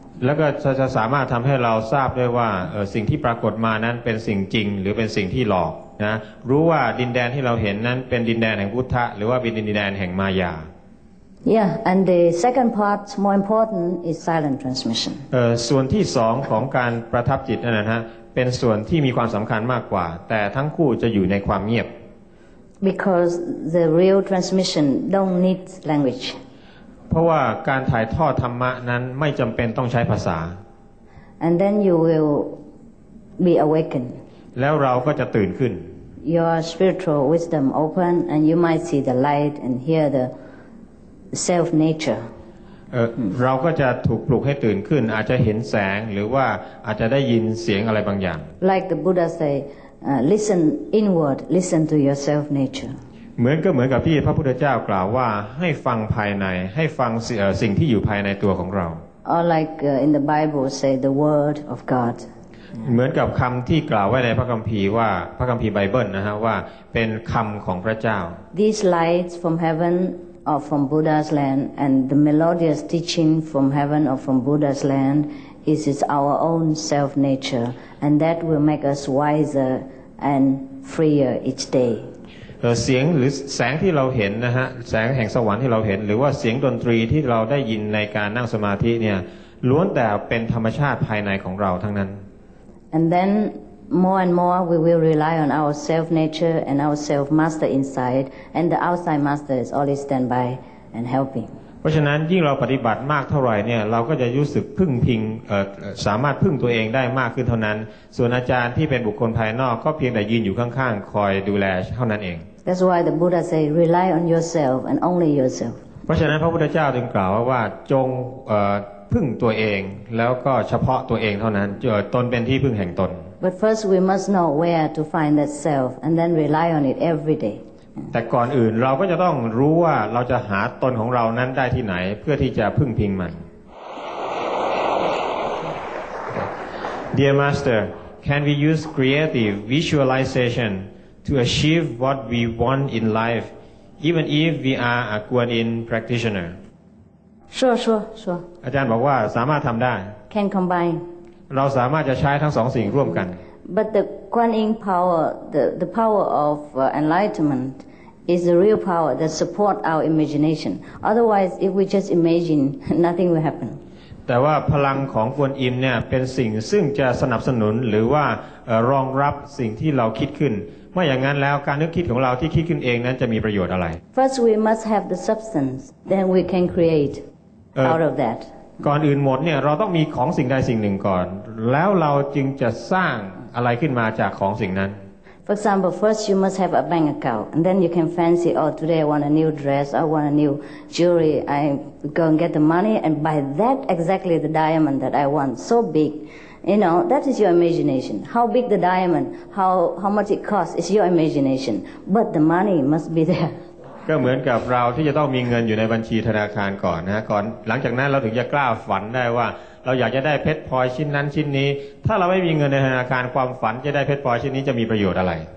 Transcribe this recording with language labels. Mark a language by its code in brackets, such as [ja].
[th] แล้วก็จะสามารถทำให้เราทราบด้วยว่าสิ่งที่ปรากฏมานั้นเป็นสิ่งจริงหรือเป็นสิ่งที่หลอกนะรู้ว่าดินแดนที่เราเห็นนั้นเป็นดินแดนแห่งพุทธะหรือว่าเป็นดินแดนแห่งมายา [en] Yeah, and the second part, more important, is silent transmission. [th] ส่วนที่สองของการประทับจิตนั่นนะฮะเป็นส่วนที่มีความสำคัญมากกว่าแต่ทั้งคู่จะอยู่ในความเงียบ [en] Because the real transmission don't need language. [th] เพราะว่าการถ่ายทอดธรรมะนั้นไม่จำเป็นต้องใช้ภาษา [en] And then you will be awakened. [th] แล้วเราก็จะตื่นขึ้น [en] Your spiritual wisdom open, and you might see the light and hear the self nature [th] ราก็จะถูกปลุกให้ตื่นขึ้นอาจจะเห็นแสงหรือว่าอาจจะได้ยินเสียงอะไรบางอย่าง [en] Like the Buddha say listen inward listen to yourself nature [th] เหมือนกับที่พระพุทธเจ้ากล่าวว่าให้ฟังภายในให้ฟังสิ่งที่อยู่ภายในตัวของเรา [en] Or like in the Bible say the word of God [th] เหมือนกับคำที่กล่าวไว้ในพระคัมภีร์ว่าพระคัมภีร์ไบเบิลนะฮะว่าเป็นคำของพระเจ้า [en] These lights from heaven or from Buddha's land and the melodious teaching from heaven or from Buddha's land is our own self nature and that will make us wiser and freer each day [th] เสียงหรือแสงที่เราเห็นนะฮะแสงแห่งสวรรค์ที่เราเห็นหรือว่าเสียงดนตรีที่เราได้ยินในการนั่งสมาธิเนี่ยล้วนแต่เป็นธรรมชาติภายในของเราทั้งนั้น [en] And then more and more we will rely on our self nature and our self master inside and the outside master is always stand by and helping. [th] เพราะฉะนั้นยิ่งเราปฏิบัติมากเท่าไหร่เนี่ยเราก็จะรู้สึกพึ่งพิงสามารถพึ่งตัวเองได้มากขึ้นเท่านั้นส่วนอาจารย์ที่เป็นบุคคลภายนอกก็เพียงแต่ยืนอยู่ข้างๆคอยดูแลเท่านั้นเอง [en] That's why the Buddha say rely on yourself and only yourself. [th] เพราะฉะนั้นพระพุทธเจ้าจึงกล่าวว่าจงพึ่งตัวเองแล้วก็เฉพาะตัวเองเท่านั้นเจอตนเป็นที่พึ่งแห่งตน [en] But first we must know where to find that self and then rely on it every day [th] แต่ก่อนอื่นเราก็จะต้องรู้ว่าเราจะหาตนของเรานั้นได้ที่ไหนเพื่อที่จะพึ่งพิงมัน [en] Dear Master can we use creative visualization to achieve what we want in life even if we are a Guan Yin practitioner Sure. [th] อาจารย์บอกว่าสามารถทำได้ [en] Can combine. [th] เราสามารถจะใช้ทั้งสองสิ่งร่วมกัน [en] But the Guan Yin power, the power of enlightenment, is the real power that support our imagination. Otherwise, if we just imagine, nothing will happen. [th] แต่ว่าพลังของกวนอิมเนี่ยเป็นสิ่งซึ่งจะสนับสนุนหรือว่ารองรับสิ่งที่เราคิดขึ้นไม่อย่างนั้นแล้วการนึกคิดของเราที่คิดขึ้นเองนั้นจะมีประโยชน์อะไร [en] First, we must have the substance, then we can createOut of that. [th] ก่อนอื่นหมดเนี่ยเราต้องมีของสิ่งใดสิ่งหนึ่งก่อนแล้วเราจึงจะสร้างอะไรขึ้นมาจากของสิ่งนั้น [en] For example, first you must have a bank account, and then you can fancy, oh, today I want a new dress, I want a new jewelry. I go and get the money and buy that exactly the diamond that I want, so big. You know, that is your imagination. How big the diamond, how much it costs, is your imagination. But the money must be there. [th] ก็เหมือนกับเราที่จะต้องมีเงินอยู่ในบัญชีธนาคารก่อนนะก่อนหลังจากนั้นเราถึงจะกล้าฝันได้ว่าเราอยากจะได้เพชรพลอยชิ้นนั้นชิ้นนี้ถ้าเราไม่มีเงินในธนาคารความฝันจะได้เพชรพลอยชิ้นนี้จะมีประโยชน์อะไร